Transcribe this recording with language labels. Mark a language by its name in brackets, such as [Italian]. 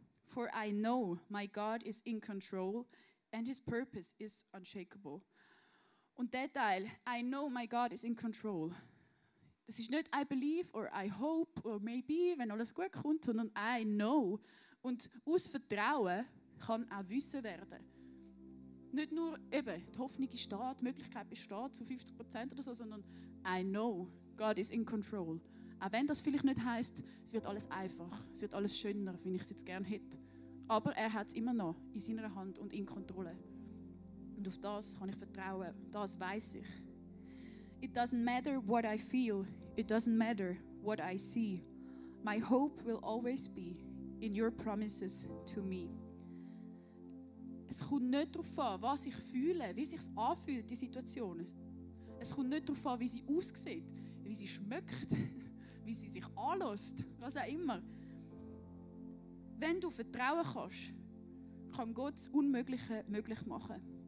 [English] For I know my God is in control and his purpose is unshakable. [German] Und der Teil, [English] I know my God is in control. [German] Das ist nicht [English] I believe or I hope or maybe, [German] wenn alles gut kommt, sondern [English] I know. [German] Und aus Vertrauen kann auch Wissen werden. Nicht nur eben, die Hoffnung ist da, die Möglichkeit besteht zu 50% oder so, sondern [English] I know. God is in control. [German] Auch wenn das vielleicht nicht heisst, es wird alles einfach, es wird alles schöner, wie ich es jetzt gerne hätte. Aber er hat es immer noch in seiner Hand und in Kontrolle. Und auf das kann ich vertrauen, das weiß ich. [English] It doesn't matter what I feel, it doesn't matter what I see. My hope will always be in your promises to me. [German] Es kommt nicht darauf an, was ich fühle, wie sich es anfühlt, die Situation. Es kommt nicht darauf an, wie sie aussieht, wie sie schmeckt, wie sie sich anlässt, was auch immer. Wenn du vertrauen kannst, kann Gott das Unmögliche möglich machen.